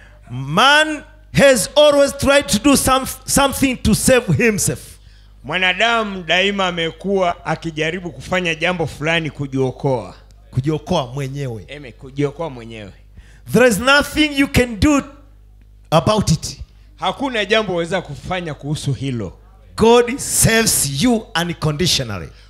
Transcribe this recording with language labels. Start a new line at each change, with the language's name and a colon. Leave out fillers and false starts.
English: Man has always tried to do something to save himself.
Swahili: Mwanadamu daima amekuwa akijaribu kufanya jambo fulani kujiokoa. Kujiokoa mwenyewe. Eme, kujiokoa mwenyewe.
English: There is nothing you can do about it.
Swahili: Hakuna jambo waweza kufanya kuhusu hilo.
English: God saves you unconditionally.